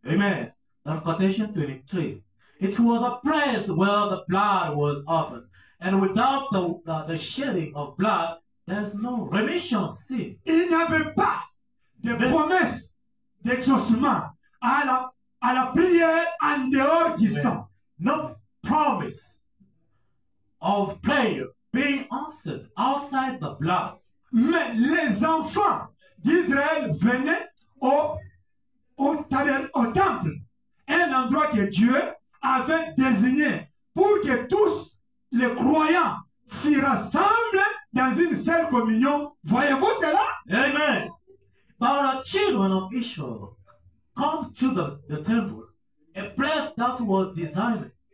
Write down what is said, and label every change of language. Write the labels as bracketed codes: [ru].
[en] Amen. Revelation 23. It was a place where the blood was offered. And without the shedding of blood, there's no remission of sin. [fr] Il n'y avait pas de promesse d'exaucement à la prière en dehors du sang. [en] No promise of prayer being answered outside the blood. [fr] Mais les enfants d'Israël venaient au temple, un endroit que Dieu avait désigné pour que tous les croyants s'y rassemblent dans une seule communion. Voyez-vous cela? Amen. [en] But the children of Israel come to the temple, a place that was designed.